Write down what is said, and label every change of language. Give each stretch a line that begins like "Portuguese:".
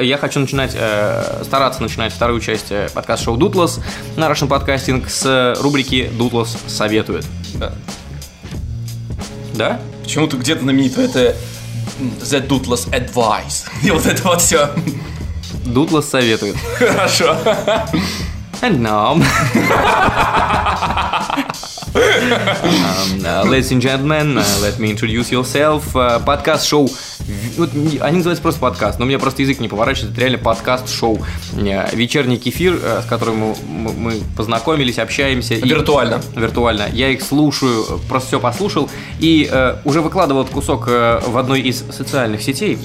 Russian: Я хочу стараться начинать вторую часть подкаст-шоу «Дутлас» на Russian Podcasting с рубрики «Дутлас советует». Да? Почему-то где-то знаменито это
English: «The Dutlas Advice».
Russian: И вот это вот все. «Дутлас советует». Хорошо.
English: And now, ladies and gentlemen, let me introduce yourself.
Russian: Подкаст-шоу. Они называются просто подкаст, но у меня просто язык не поворачивается. Это реально подкаст-шоу. Вечерний кефир, с которым мы познакомились, общаемся. Виртуально. Виртуально. Я их слушаю, просто все послушал. И уже выкладывал этот кусок в одной из социальных сетей.